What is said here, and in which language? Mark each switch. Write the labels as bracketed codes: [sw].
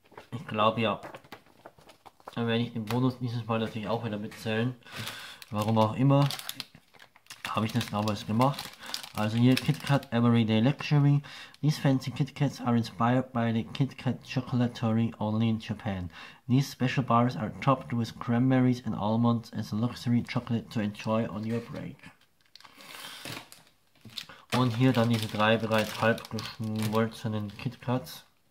[de] Ich glaube ja. Dann werde ich den Bonus nächstes Mal natürlich auch wieder mitzählen. Warum auch immer, habe ich das damals gemacht. Also hier KitKat Everyday Luxury. [en] These fancy KitKats are inspired by the KitKat Chocolatory only in Japan. These special bars are topped with cranberries and almonds as a luxury chocolate to enjoy on your break. [de] Und hier dann diese drei bereits halb geschmolzenen KitKats.